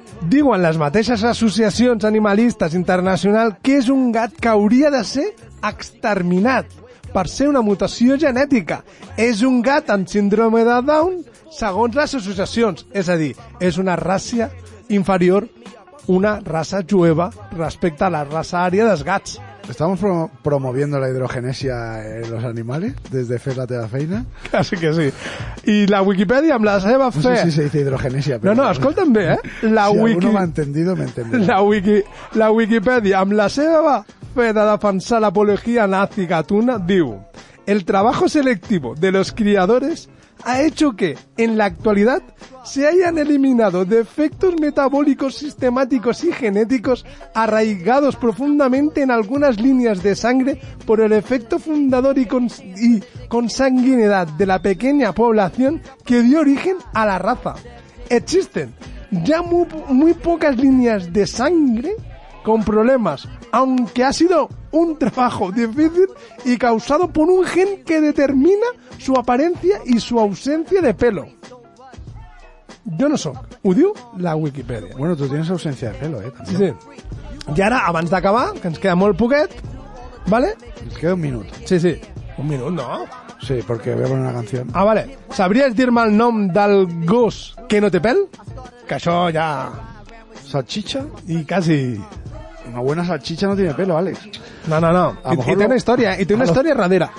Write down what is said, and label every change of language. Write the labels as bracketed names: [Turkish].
[Catalan] Diuen les mateixes associacions animalistes internacionals que és un gat que hauria de ser exterminat per ser una mutació genètica. És un gat amb síndrome de Down segons les associacions. És a dir, és una raça inferior, una raça jueva respecte a la raça ària dels gats. [Spanish] ¿Estamos promoviendo la hidrogenesia en los animales desde Fes la teva feina? Casi que sí. [Catalan] Y la Wikipedia, amb la seva fe... [Spanish] No sé si se dice hidrogenesia, pero... [Catalan] No, no, escolta'm bé, eh? [Spanish] La si wiki... alguno m'ha entendido, m'ha entendido. [Catalan] La Wikipedia, amb la seva fe de defensar l'apologia nazi gatuna, diu... [Spanish] El trabajo selectivo de los criadores ha hecho que, en la actualidad, se hayan eliminado defectos metabólicos, sistemáticos y genéticos arraigados profundamente en algunas líneas de sangre por el efecto fundador y consanguinidad de la pequeña población que dio origen a la raza. Existen ya muy, muy pocas líneas de sangre con problemas, aunque ha sido un trabajo difícil y causado por un gen que determina su apariencia y su ausencia de pelo. Yo no soy, [Catalan] ho diu la Wikipedia. [Spanish] Bueno, tú tienes ausencia de pelo, Sí, sí. Y ahora, [Catalan] abans d'acabar, que ens queda molt poquet, ¿vale? Ens queda un minut. Sí, sí. Un minut, no? [Spanish] Sí, porque voy a poner una canción. [Catalan] Ah, vale. ¿Sabrías dir-me el nom del gos que no té pèl? Que això ja... [Spanish] Salchicha. [Catalan] I quasi... [Spanish] Una buena salchicha no tiene pelo, Alex. No, no, no. Y tiene una historia. Y tiene una historia radera.